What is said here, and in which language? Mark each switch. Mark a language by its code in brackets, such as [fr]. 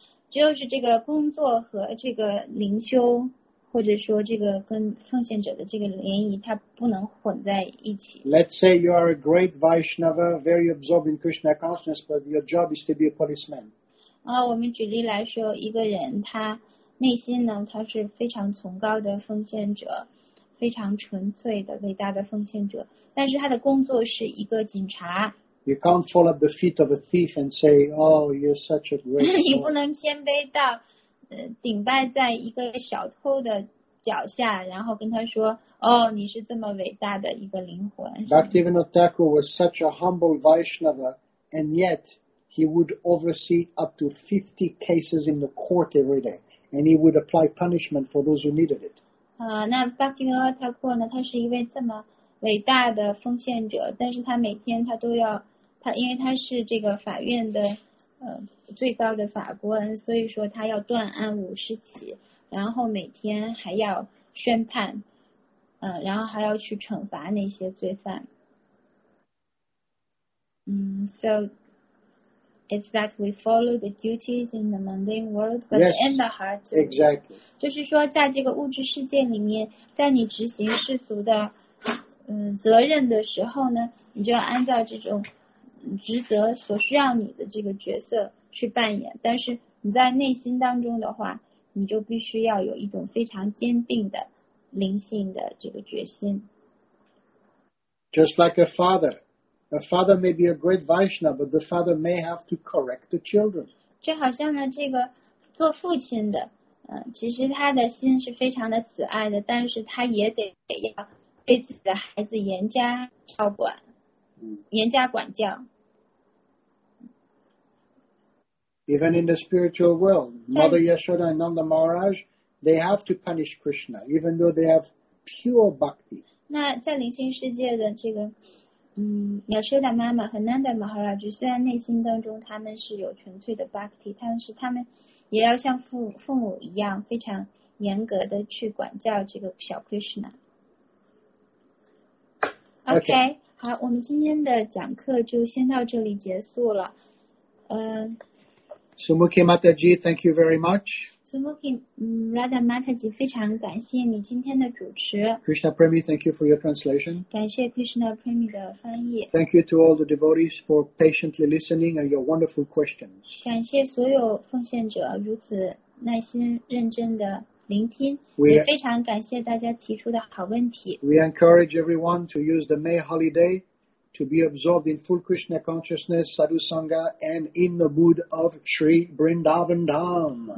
[zh] 就是这个工作和这个灵修，或者说这个跟奉献者的这个联谊，它不能混在一起。 [en] Let's say you are a great Vaishnava, very absorbed in Krishna consciousness, but your job is to be a policeman. [zh] 啊，我们举例来说，一个人他内心呢，他是非常崇高的奉献者，非常纯粹的伟大的奉献者，但是他的工作是一个警察。 [en] You can't fall at the feet of a thief and say, oh, you're such a great soul. [zh] 你不能谦卑到顶拜在一个小偷的脚下，然后跟他说，哦，你是这么伟大的一个灵魂。 [en] Bhaktivinoda Thakur was such a humble Vaishnava, and yet he would oversee up to 50 cases in the court every day, and he would apply punishment for those who needed it. [zh] 那 Bhaktivinoda Thakur 呢，他是一位这么伟大的奉献者，但是他每天他都要，他因为他是这个法院的最高的法官，所以说他要断案50起，然后每天还要宣判，然后还要去惩罚那些罪犯。 [en] So it's that we follow the duties in the mundane world, but yes, in the heart. Exactly. [zh] 就是说，在这个物质世界里面，在你执行世俗的责任的时候呢，你就要按照这种职责所需要你的这个角色去扮演，但是你在内心当中的话，你就必须要有一种非常坚定的灵性的这个决心。 [en] Just like a father may be a great Vaishnava, but the father may have to correct the children. [zh] 就好像呢，这个做父亲的，其实他的心是非常的慈爱的，但是他也得要对自己的孩子严加照管，严加管教。 [en] Even in the spiritual world, Mother Yashoda and Nanda Maharaj, they have to punish Krishna, even though they have pure bhakti. [zh] 那在灵性世界的这个，Yashoda 妈妈和 Nanda Maharaj 虽然内心当中他们是有纯粹的 bhakti， 但是他们也要像父母一样，非常严格的去管教这个小 Krishna。 [en] Okay, [zh] 好，我们今天的讲课就先到这里结束了。 [en] Sumukhi Mataji, thank you very much. [zh] Sumukhi Radha Mataji, 非常感谢你今天的主持。 [en] Krishna Premi, thank you for your translation. [zh] 感谢 Krishna Premi 的翻译。 [en] Thank you to all the devotees for patiently listening and your wonderful questions. [zh] 感谢所有奉献者如此耐心认真的聆听，也非常感谢大家提出的好问题。 [en] We encourage everyone to use the May holiday to be absorbed in full Krishna consciousness, sadhu sangha, and in the mood of Sri Vrindavan Dham.